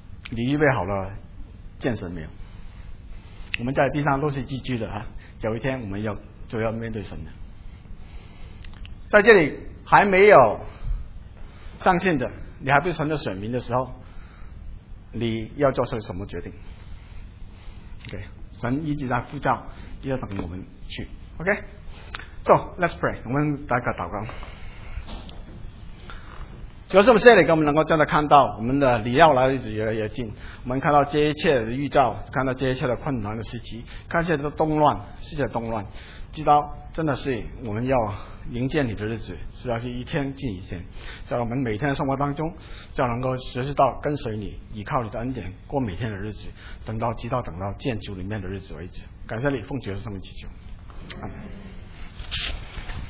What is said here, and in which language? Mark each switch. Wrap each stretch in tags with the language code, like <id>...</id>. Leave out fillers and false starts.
<zh>你预备好了见神没有？我们在地上都是寄居的啊，有一天我们就要面对神的。在这里还没有上线的，你还不是神的选民的时候，你要做出什么决定 ？OK， 神一直在呼召，一直等我们去。</zh> <en>OK， so let's pray，</en> <zh>我们大家祷告。主要是我们现在给我们能够真的看到我们的你要来的日子越来越近，我们看到这一切的预兆，看到这一切的困难的时期，看这些的动乱，世界的动乱，知道真的是我们要迎接你的日子，是要是一天近一天，在我们每天的生活当中就能够学习到跟随你，依靠你的恩典过每天的日子，直到见主里面的日子为止。感谢你，奉主耶稣的圣名祈求，阿门。</zh>